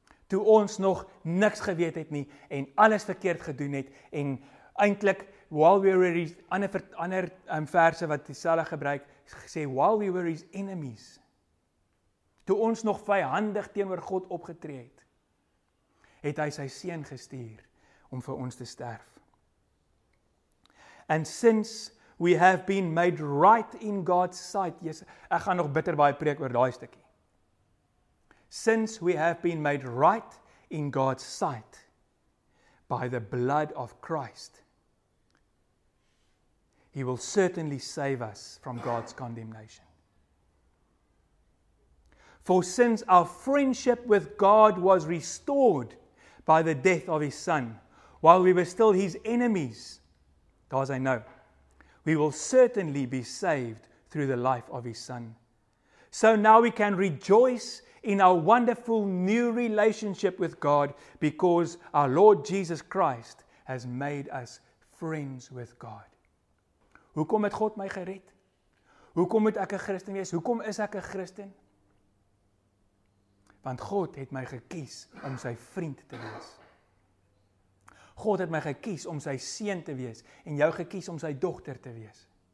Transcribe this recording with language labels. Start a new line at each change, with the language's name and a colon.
Afrikaans: Toe ons nog niks geweet het nie en alles verkeerd gedoen het en eintlik
English: while we were his
Afrikaans: ander verse wat dieselfde gebruik sê
English: while we were his enemies.
Afrikaans: Toe ons nog vyandig teenoor God opgetree het, het hy sy seun gestuur om vir ons te sterf.
English: And since we have been made right in God's sight.
Afrikaans: Yes, ek gaan nog bitter baie preek oor daai stukkie.
English: Since we have been made right in God's sight by the blood of Christ, he will certainly save us from God's condemnation. For since our friendship with God was restored by the death of his son, while we were still his enemies, as I know, we will certainly be saved through the life of his son. So now we can rejoice in our wonderful new relationship with God because our Lord Jesus Christ has made us friends with God.
Afrikaans: Hoekom het God my gered? Hoekom moet ek 'n Christen wees? Hoekom is ek 'n Christen? Want God het my gekies om sy vriend te wees. God het my gekies om sy seun te wees en jou gekies om sy dogter te wees.